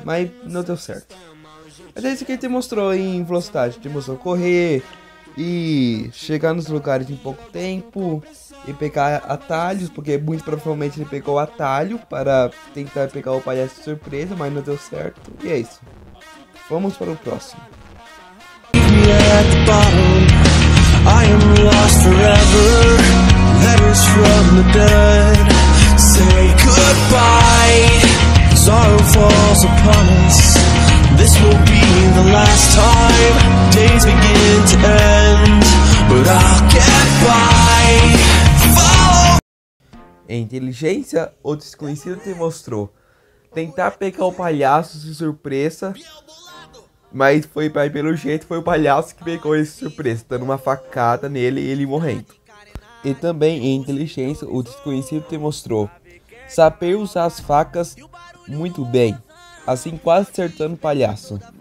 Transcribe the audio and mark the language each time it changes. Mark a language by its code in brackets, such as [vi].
[pt] Mas não deu certo. Mas é isso que ele te mostrou em velocidade. Te mostrou correr e chegar nos lugares em pouco tempo e pegar atalhos, porque muito provavelmente ele pegou atalho para tentar pegar o palhaço de surpresa, mas não deu certo. E é isso. Vamos para o próximo. [en] At the bottom, I am lost forever. Letters from the dead say goodbye. Sorrow falls upon us. This will be the last time. Days begin to end, but I'll get by. [pt] Inteligência ou desconhecido te mostrou tentar pegar o palhaço de surpresa. Mas foi pelo jeito, foi o palhaço que pegou esse surpresa, dando uma facada nele e ele morrendo. E também em inteligência, o desconhecido te mostrou saber usar as facas muito bem, assim quase acertando o palhaço.